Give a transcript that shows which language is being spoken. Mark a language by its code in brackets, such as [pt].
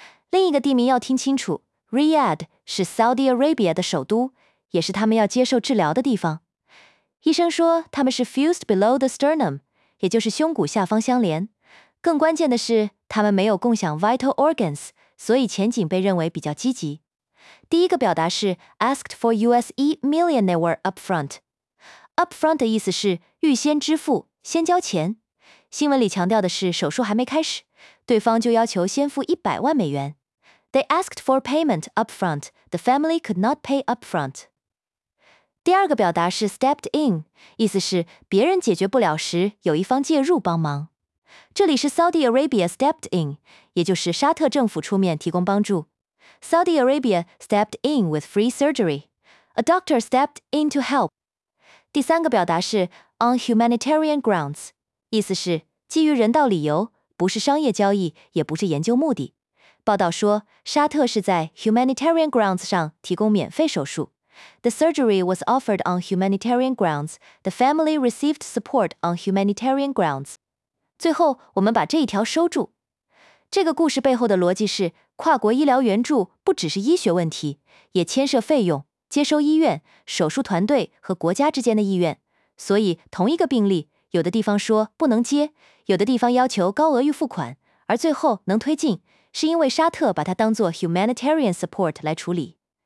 [zh] 另一个地名要听清楚， Riyadh 是 Saudi Arabia 的首都，也是他们要接受治疗的地方。医生说他们是 [en] fused below the sternum， [zh] 也就是胸骨下方相连。更关键的是，他们没有共享 [en] vital organs， [zh] 所以前景被认为比较积极。第一个表达是 [en] asked for US$1 million they were upfront。 [zh] upfront 的意思是预先支付，先交钱。新闻里强调的是手术还没开始，对方就要求先付$1,000,000。 [en] They asked for payment upfront. The family could not pay upfront. [zh] 第二个表达是 [en] stepped in， [zh] 意思是别人解决不了时，有一方介入帮忙。这里是 [en] Saudi Arabia stepped in， [zh] 也就是沙特政府出面提供帮助。 [en] Saudi Arabia stepped in with free surgery. A doctor stepped in to help. [zh] 第三个表达是 [en] on humanitarian grounds。 [zh] 意思是基于人道理由，不是商业交易，也不是研究目的。报道说沙特是在 [en] humanitarian grounds [zh] 上提供免费手术。 [en] The surgery was offered on humanitarian grounds. The family received support on humanitarian grounds. [zh] 最后我们把这一条收住。这个故事背后的逻辑是跨国医疗援助不只是医学问题，也牵涉费用、接收医院、手术团队和国家之间的意愿，所以同一个病例有的地方说不能接，有的地方要求高额预付款，而最后能推进，是因为沙特把它当作 [en] humanitarian support [zh] 来处理。